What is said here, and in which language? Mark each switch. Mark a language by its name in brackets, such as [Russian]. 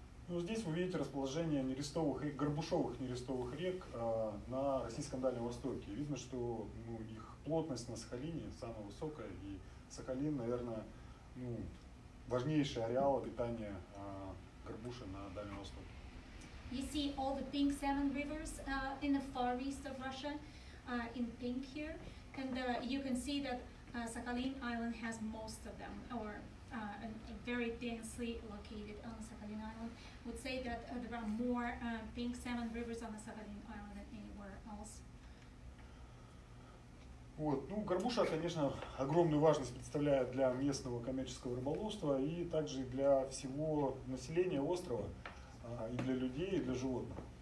[Russian] Ну, здесь вы видите расположение нерестовых и горбушовых нерестовых рек на российском Дальнем Востоке. Видно, что ну, их плотность на Сахалине самая высокая, и Сахалин, наверное, ну, важнейший ареал обитания горбуши на Дальнем Востоке. [English] You see all the pink salmon rivers in the far east of Russia, in pink here, and you can see that Sakhalin Island has most of them, or a very densely located on Sakhalin Island. Would say that there are more pink salmon rivers on the Sakhalin Island than anywhere else. [Russian] Вот, ну, горбуша, конечно, огромную важность представляет для местного коммерческого рыболовства и также для всего населения острова, и для людей, и для животных.